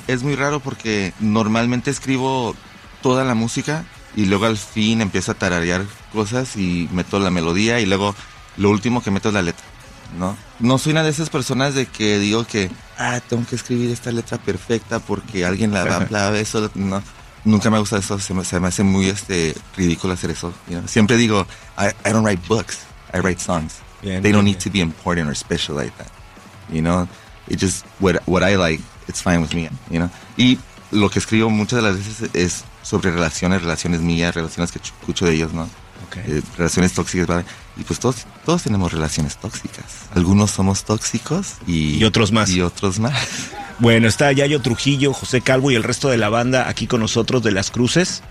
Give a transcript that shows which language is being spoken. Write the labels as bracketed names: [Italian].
[Spanish] Es muy raro porque normalmente escribo toda la música y luego al fin empiezo a tararear cosas y meto la melodía y luego lo último que meto es la letra, ¿no? No soy una de esas personas de que digo que, tengo que escribir esta letra perfecta porque alguien la va a aplaudir, eso, no. Nunca me gusta eso, se me hace muy ridículo hacer eso, ¿no? Siempre digo, [English] I don't write books, I write songs. Bien, they don't need to be important or special like that, you know? It's just what I like, it's fine with me, you know? [Spanish] Y lo que escribo muchas de las veces es sobre relaciones mías, relaciones que escucho de ellos, ¿no? [English] Okay. [Spanish] Relaciones tóxicas, ¿vale? Y pues todos tenemos relaciones tóxicas. Algunos somos tóxicos y otros más. Y otros más. Bueno, está Yayo Trujillo, José Calvo y el resto de la banda aquí con nosotros de Las Cruces.